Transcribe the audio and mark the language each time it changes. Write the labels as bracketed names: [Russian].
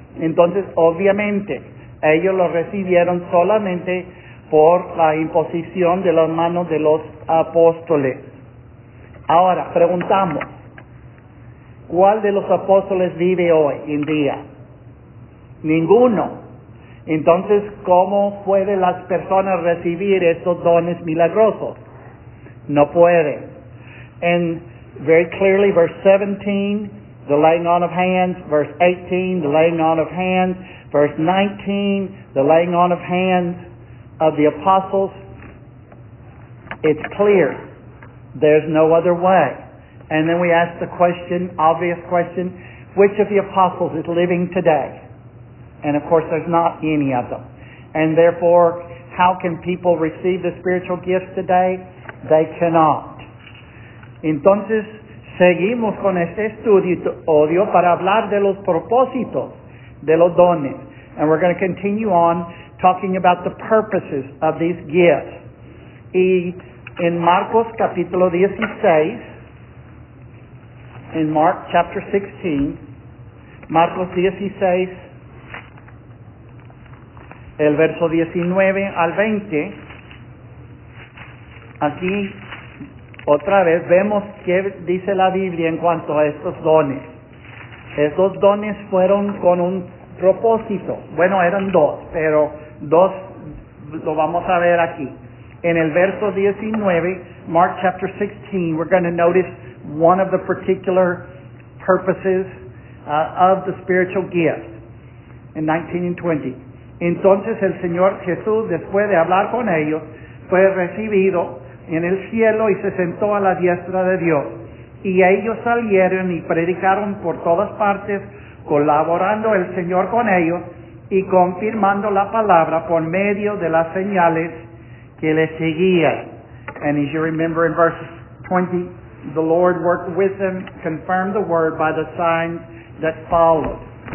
[Spanish] Entonces, obviamente, ellos lo recibieron solamente por la imposición de las manos de los apóstoles. Ahora, preguntamos, ¿cuál de los apóstoles vive hoy en día? Ninguno. Entonces, ¿cómo pueden las personas recibir estos dones milagrosos? No puede. [English] And very clearly, verse 17, the laying on of hands. Verse 18, the laying on of hands. Verse 19, the laying on of hands of the apostles. It's clear. There's no other way. And then we ask the question, obvious question, which of the apostles is living today? And of course, there's not any of them. And therefore, how can people receive the spiritual gifts today? They cannot. [Spanish] Entonces, seguimos con este estudio para hablar de los propósitos, de los dones. [English] And we're going to continue on talking about the purposes of these gifts. Y [Spanish] En Marcos capítulo 16, en [English] Mark chapter 16, [Spanish] Marcos 16, el verso 19 al 20, aquí otra vez vemos qué dice la Biblia en cuanto a estos dones. Esos dones fueron con un propósito. Bueno, eran dos, pero dos lo vamos a ver aquí. En el verso 19, [English] Mark chapter 16, we're going to notice one of the particular purposes of the spiritual gift in 19 and 20. [Spanish] Entonces el Señor Jesús, después de hablar con ellos, fue recibido en el cielo y se sentó a la diestra de Dios. Y ellos salieron y predicaron por todas partes, colaborando el Señor con ellos y confirmando la palabra por medio de las señales que le seguía. [English] And as you remember in verse 20, the Lord worked with them, confirmed the word by the signs that followed.